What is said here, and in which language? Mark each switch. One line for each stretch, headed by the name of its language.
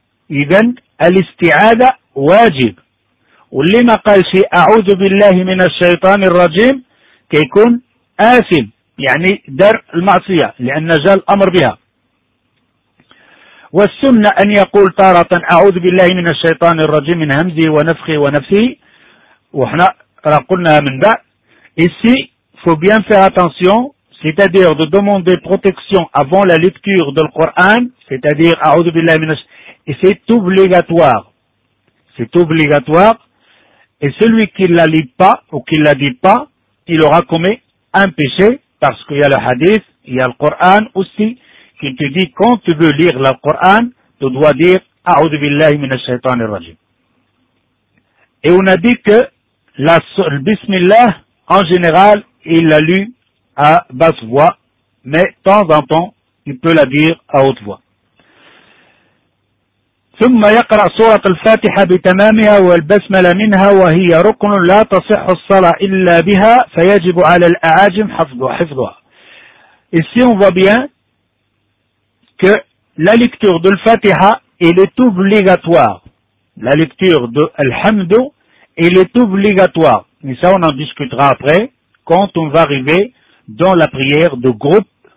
Arabic: إذن الاستعاذة واجب, واللي ما قال شيء أعوذ بالله من الشيطان الرجيم كيكون آسم يعني درء المعصية لأن جاء الأمر بها. والسنة أن يقول طارة أعوذ بالله من الشيطان الرجيم من همزه ونفخه ونفثه, وإحنا قلناها من بعد.
French: Ici, faut bien faire attention, c'est-à-dire de demander protection avant la lecture du Coran, c'est-à-dire à A'oudou billahi minash, et c'est obligatoire. C'est obligatoire. Et celui qui ne la lit pas ou qui ne la dit pas, il aura commis un péché, parce qu'il y a le hadith, il y a le Coran aussi, qui te dit quand tu veux lire le Coran, tu dois dire A'oudou billahi minash shaitanir rajim. Et on a dit que le bismillah, en général, il l'a lu à basse voix, mais de temps en temps, il peut la dire à haute voix.
Arabic: ثم يقرأ سورة الفاتحة بتمامها والبسملة منها وهي ركن لا تصح الصلاة إلا بها فيجب على الأعاجم حفظها.
French: Ici on voit bien que la lecture de الفاتحة est obligatoire. La lecture de الحمد est obligatoire. Mais ça on en discutera après quand on va arriver dans la prière de groupe.